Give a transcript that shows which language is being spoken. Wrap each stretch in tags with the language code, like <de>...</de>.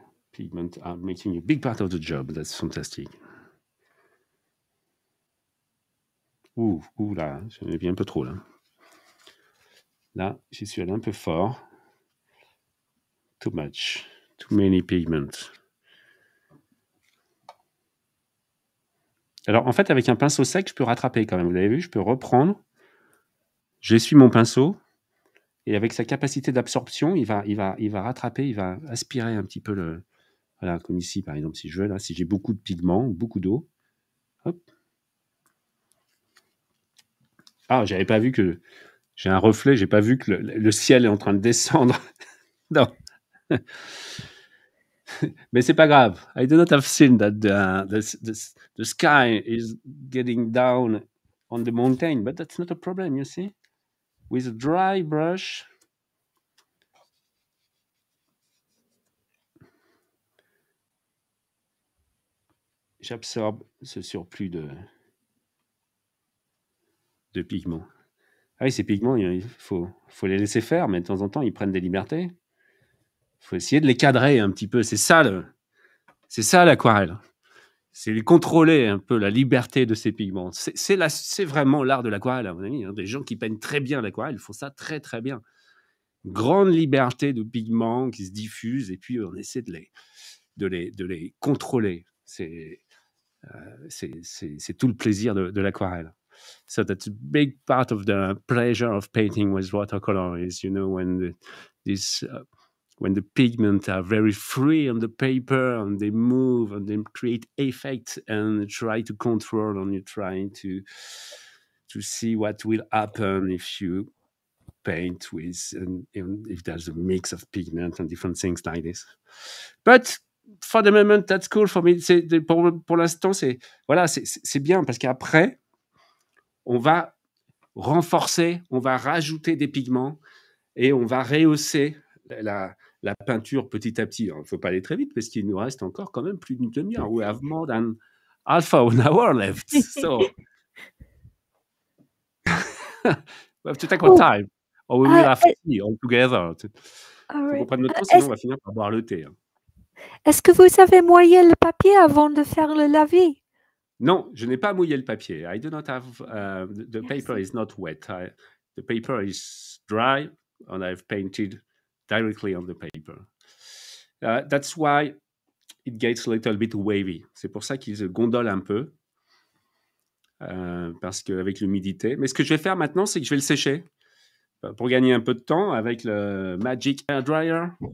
<en>Pigment are making a big part of the job. That's fantastic.</en> <fr>Ouh là, j'en ai bien un peu trop là. Là, j'y suis allé un peu fort.</fr> <en>Too much. Too many pigments.</en> <fr>Alors, en fait, avec un pinceau sec, je peux rattraper quand même. Vous avez vu, je peux reprendre. J'essuie mon pinceau. Et avec sa capacité d'absorption, il va rattraper, il va aspirer un petit peu le... Voilà, comme ici, par exemple, si je veux, là, si j'ai beaucoup de pigments, beaucoup d'eau. Hop. Ah, j'avais pas vu que... J'ai un reflet, j'ai pas vu que le ciel est en train de descendre. Non. Mais c'est pas grave.</fr> <en>I do not have seen that the sky is getting down on the mountain, but that's not a problem, you see? With a dry brush.</en> <fr>J'absorbe ce surplus de pigments. Ah oui, ces pigments, il faut les laisser faire, mais de temps en temps, ils prennent des libertés. Il faut essayer de les cadrer un petit peu. C'est ça l'aquarelle. C'est de contrôler un peu la liberté de ces pigments. C'est vraiment l'art de l'aquarelle, à mon ami. Des gens qui peignent très bien l'aquarelle font ça très, très bien. Grande liberté de pigments qui se diffusent, et puis on essaie de les contrôler. C'est tout le plaisir de l'aquarelle.</fr> <en>So that's a big part of the pleasure of painting with watercolor is, you know, when the pigments are very free on the paper and they move and they create effects and try to control and you try to see what will happen if you paint with, and if there's a mix of pigment and different things like this. But for the moment, that's cool for me.</en> <fr>Pour l'instant, c'est bien parce qu'après, on va renforcer, on va rajouter des pigments et on va rehausser la peinture petit à petit. Il ne faut pas aller très vite parce qu'il nous reste encore quand même plus d'une demi-heure.</fr> <en>We have more than half an hour left. So we have to take our time. Or we will have tea all together.</en> <fr>Il faut prendre notre temps, sinon on va finir par boire le thé. Est-ce que vous avez mouillé le papier avant de faire le laver? Non, je n'ai pas mouillé le papier.</fr> <en>I do not have the paper is not wet. The paper is dry, and I've painted directly on the paper. That's why it gets a little bit wavy.</en> <fr>C'est pour ça qu'il se gondole un peu, parce que avec l'humidité. Mais ce que je vais faire maintenant, c'est que je vais le sécher pour gagner un peu de temps avec le Magic Air Dryer.</fr>